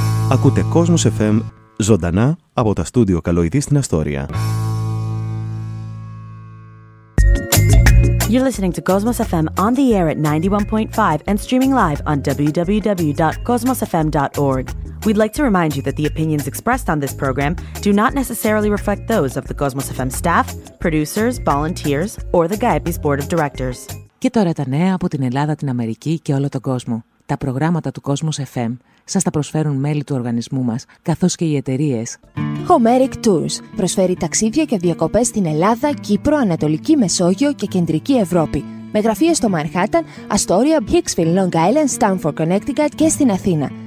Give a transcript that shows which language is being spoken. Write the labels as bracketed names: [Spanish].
[Greek] Ακούτε Κόσμος FM ζωντανά από τα στούντιο Καλοειδή στην Αστόρια. [English] You're listening to Cosmos FM on the air at 91.5 and streaming live on www.cosmosfm.org. We'd like to remind you that the opinions expressed on this program do not necessarily reflect those of the Cosmos FM staff, producers, volunteers, or the Gaiapi's board of directors. [Greek] Και τώρα τα νέα από την Ελλάδα, την Αμερική και όλο τον κόσμο. Τα προγράμματα του Cosmos FM σας τα προσφέρουν μέλη του οργανισμού μας, καθώς και οι εταιρείες. Homeric Tours προσφέρει ταξίδια και διακοπές στην Ελλάδα, Κύπρο, Ανατολική Μεσόγειο και Κεντρική Ευρώπη. Με γραφεία στο Μανχάταν, Αστόρια, Hicksville, Long Island, Stamford, Connecticut και στην Αθήνα.